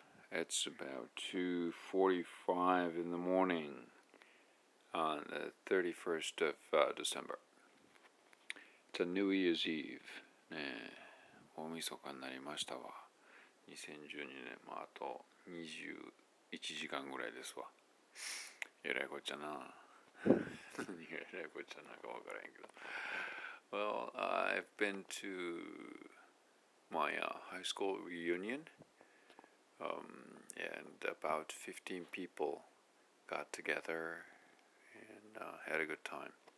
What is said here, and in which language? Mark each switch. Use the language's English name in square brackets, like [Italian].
[English] It's about 2:45 in the morning on the 31st of December. It's a New Year's Eve. [Japanese] ね、大晦日になりましたわ。2012年もあと21時間ぐらいですわ。えらいこっちゃな。何がえらいこっちゃなかわからへんけど。 [English] Well, I've been to my high school reunion, and about 15 people got together and had a good time.